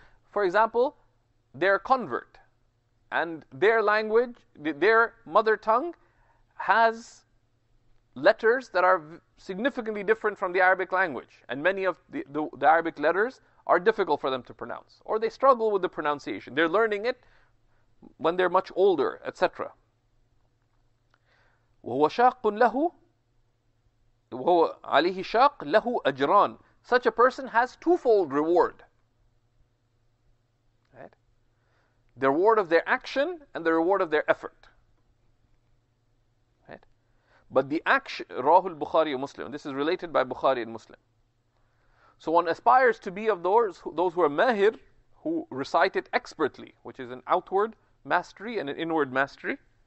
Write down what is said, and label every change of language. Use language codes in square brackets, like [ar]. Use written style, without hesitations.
[en] For example, they're a convert. And their language, their mother tongue, has letters that are significantly different from the Arabic language. And many of the Arabic letters are difficult for them to pronounce. Or they struggle with the pronunciation. They're learning it when they're much older, etc. [ar] وَهُوَ شَاقٌ لَهُ وَهُوَ عَلَيْهِ شَاقٌ لَهُ أَجْرَانٌ [en] Such a person has twofold reward. Right? The reward of their action and the reward of their effort. Right? But the action, [ar] رواه البخاري ومسلم, [en] this is related by Bukhari and Muslim. So one aspires to be of those who are mahir, who recite it expertly, which is an outward mastery and an inward mastery.